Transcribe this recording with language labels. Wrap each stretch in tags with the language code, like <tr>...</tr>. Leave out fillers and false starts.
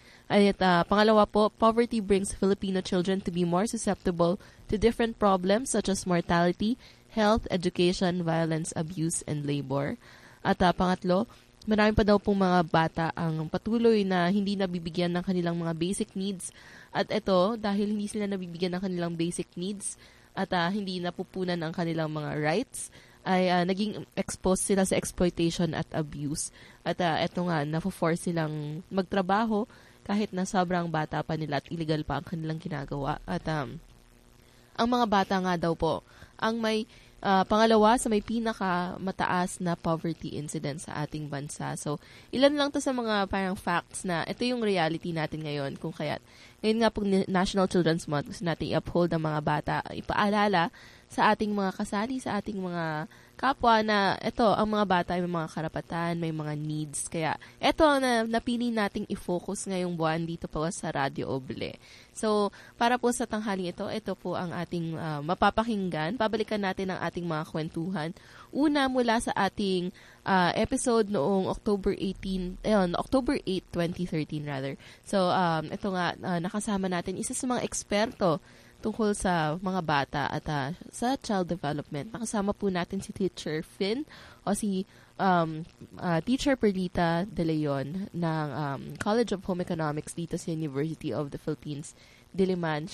<tl>At pangalawa po,</tl> <en>poverty brings Filipino children to be more susceptible to different problems such as mortality, health, education, violence, abuse, and labor.</en> <tl>At pangatlo, marami pa daw pong mga bata ang patuloy na hindi nabibigyan ng kanilang mga basic needs. At ito, dahil hindi sila nabibigyan ng kanilang basic needs at hindi napupunan ang kanilang mga rights, ay naging exposed sila sa exploitation at abuse. At ito nga, na-force silang magtrabaho kahit na sobrang bata pa nila at illegal pa ang kanilang ginagawa. At ang mga bata nga daw po, ang may pangalawa sa may pinaka-mataas na poverty incidence sa ating bansa. So, ilan lang to sa mga parang facts na ito yung reality natin ngayon. Kung kaya't, ngayon nga pong National Children's Month, gusto natin i-uphold ang mga bata, ipaalala sa ating mga kasali, sa ating mga kapwa na ito, ang mga bata ay may mga karapatan, may mga needs. Kaya, ito ang napili nating i-focus ngayong buwan dito po sa Radyo Oble. So, para po sa tanghaling ito, ito po ang ating mapapakinggan. Pabalikan natin ang ating mga kwentuhan. Una, mula sa ating episode noong October 8, 2013. So, ito nga, nakasama natin isa sa mga eksperto tungkol sa mga bata at sa child development. Nakasama po natin si Teacher Finn o si Teacher Perlita De Leon ng College of Home Economics dito sa University of the Philippines, Diliman.</tl>